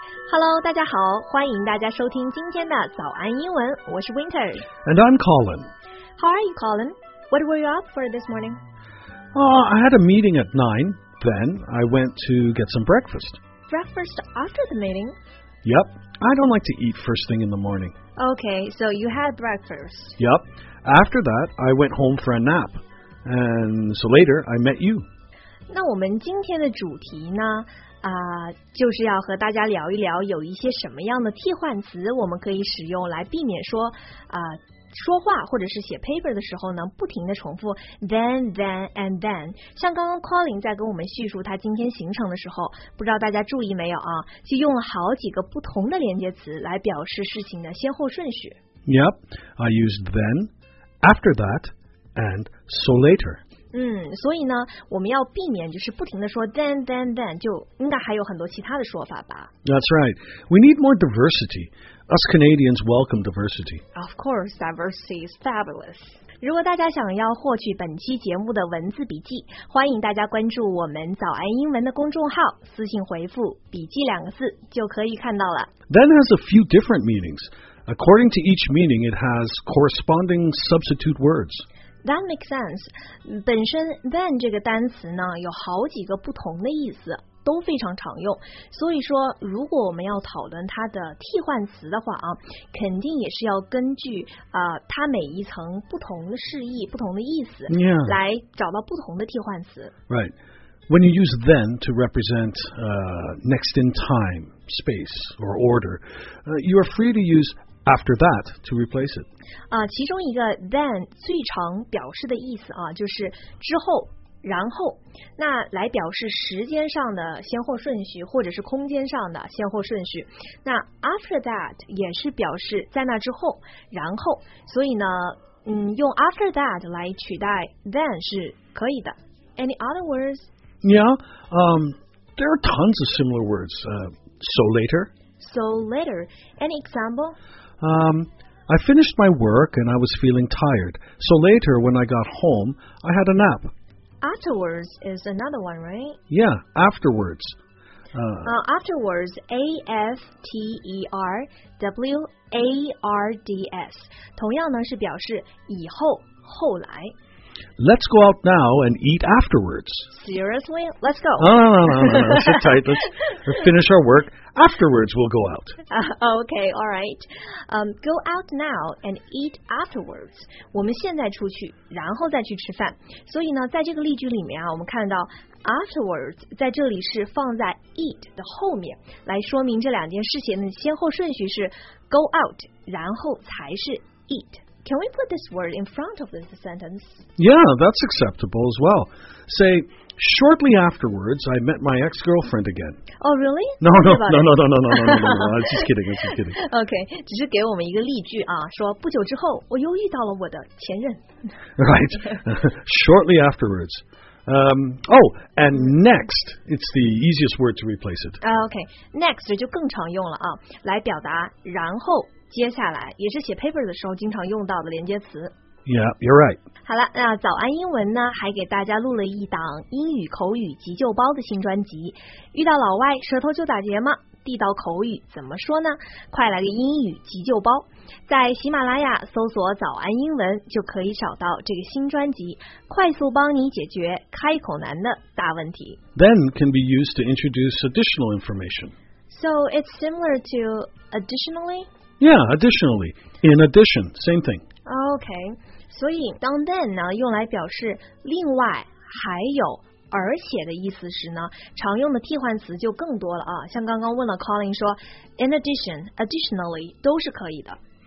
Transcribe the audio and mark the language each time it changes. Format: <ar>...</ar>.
<zh>Hello, 大家好，欢迎大家收听今天的早安英文，我是 Winter.</zh> <en>And I'm Colin. How are you, Colin? What were you up for this morning? I had a meeting at 9, then I went to get some breakfast. Breakfast after the meeting? Yep, I don't like to eat first thing in the morning. Okay, so you had breakfast. Yep, after that, I went home for a nap, and so later, I met you.</en> <zh>那我们今天的主题呢？就是要和大家聊一聊有一些什么样的替换词我们可以使用来避免说说话或者是写 paper 的时候呢不停地重复 then, then, and then 像刚刚 Colin 在跟我们叙述他今天行程的时候不知道大家注意没有啊就用了好几个不同的连接词来表示事情的先后顺序</zh> <en>Yep, I used then, after that, and so later</en> <zh>所以呢我们要避免就是不停地说 then, then, then 就应该还有很多其他的说法吧</zh> <en>That's right We need more diversity Us Canadians welcome diversity Of course, diversity is fabulous</en> <zh>如果大家想要获取本期节目的文字笔记欢迎大家关注我们早安英文的公众号私信回复笔记两个字就可以看到了</zh> <en>Then has a few different meanings According to each meaning it has corresponding substitute words That makes sense.</en> <zh>本身 then 这个单词呢有好几个不同的意思都非常常用。所以说如果我们要讨论它的替换词的话啊肯定也是要根据它每一层不同的释义不同的意思、</zh> <en>yeah.</en> <zh>来找到不同的替换词。</zh> <en>Right. When you use then to represent next in time, space, or order, you are free to use after that to replace it.</en> <zh>其中一个 then 最常表示的意思啊就是之后然后那来表示时间上的先后顺序或者是空间上的先后顺序那 after that 也是表示在那之后然后所以呢用 after that 来取代 then 是可以的</zh> <en>any other words yeah there are tons of similar words so later any example I finished my work and I was feeling tired. So later, when I got home, I had a nap. Afterwards is another one, right? Yeah, afterwards. Afterwards, A-F-T-E-R-W-A-R-D-S.</en> <zh>同样呢是表示以后，后来。</zh> <en>Let's go out now and eat afterwards. Seriously? Let's go. No. Sit tight. Let's finish our work. Afterwards, we'll go out. Okay, all right. Go out now and eat afterwards.</en> <zh>我们现在出去，然后再去吃饭。所以呢，在这个例句里面啊，我们看到 afterwards 在这里是放在 eat 的后面，来说明这两件事情的先后顺序是 go out， 然后才是 eat。</zh> <en>Can we put this word in front of this sentence? Yeah, that's acceptable as well. Say, shortly afterwards, I met my ex-girlfriend again. Oh, really? No. I'm just kidding.</en> <zh>Okay, 只是给我们一个例句啊，说不久之后，我又遇到了我的前任。</zh> <en>Right. Shortly afterwards. And next, it's the easiest word to replace it.</en> <zh>Okay, next 就更常用了啊，来表达然后。接下来也是写 paper 的时候经常用到的连接词。</zh> <en>Yeah, you're right.</en> <zh>好了，那早安英文呢，还给大家录了一档英语口语急救包的新专辑。遇到老外，舌头就打结吗？地道口语怎么说呢？快来个英语急救包，在喜马拉雅搜索早安英文就可以找到这个新专辑，快速帮你解决开口难的大问题。</zh> <en>Then can be used to introduce additional information. So it's similar to additionally? Yeah, additionally. In addition, same thing. Okay.</en> <zh>所以当 then 呢用来表示另外还有而且的意思时呢常用的替换词就更多了啊像刚刚问了 Colin 说 in addition, additionally, 都是可以的。</zh>